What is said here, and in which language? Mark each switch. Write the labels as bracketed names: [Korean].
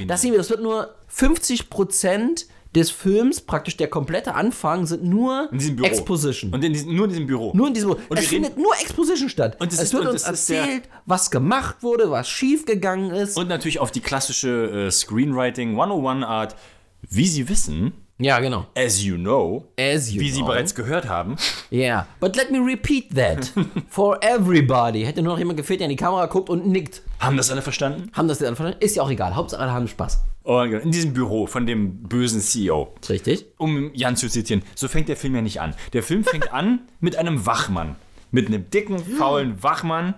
[German] Das wird nur 50% des Films, praktisch der komplette Anfang, sind nur in diesem Büro. Exposition. Und nur in diesem Büro. Nur in diesem Büro. Und es findet nur Exposition statt. Und es wird uns erzählt, was gemacht wurde, was schiefgegangen ist. Und natürlich auf die klassische Screenwriting 101-Art, wie sie wissen. Ja, genau. [English] As you know. [German] Sie bereits gehört haben. [English] Yeah, but let me repeat that for everybody. [German] Hätte nur noch jemand gefehlt, der in die Kamera guckt und nickt. Haben das alle verstanden? Ist ja auch egal. Hauptsache, alle haben Spaß. In diesem Büro von dem bösen CEO. Richtig. Um Jan zu zitieren, so fängt der Film ja nicht an. Der Film fängt an mit einem Wachmann. Mit einem dicken, faulen Wachmann.